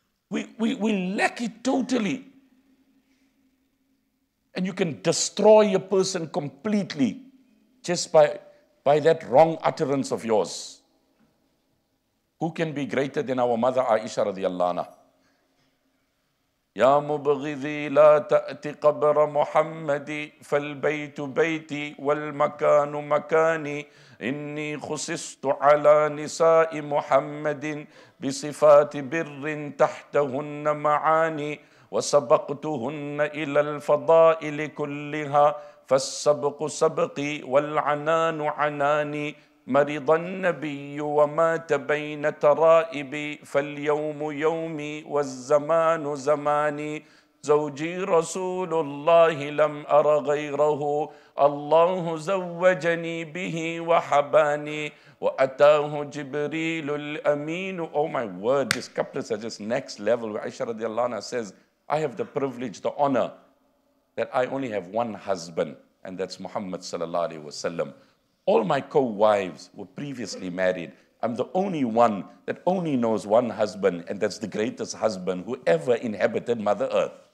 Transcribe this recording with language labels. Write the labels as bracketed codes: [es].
[en] We lack it totally. And you can destroy a person completely just by that wrong utterance of yours. Who can be greater than our mother Aisha radiallahu anha? [ar] Ya mubghidhi la ta'ti qabr Muhammadi fal baytu bayti wal makanu makani inni khusistu ala nisa'i Muhammadin bisifati birrin tahtahunna ma'ani وسبقتهن إلى الفضائل كلها فالسبق سبقي والعنان عناني مرض النبي ومات بين ترائبي فاليوم يومي والزمان زماني زوجي رسول الله لم أر غيره الله زوجني به وحباني وأتاه جبريل الأمين. [en] Oh my word, these couplets are just next level. Aisha radiallahu anha says, I have the privilege, the honor, that I only have one husband, and that's Muhammad sallallahu alaihi wasallam. All my co-wives were previously married. I'm the only one that only knows one husband, and that's the greatest husband who ever inhabited Mother Earth.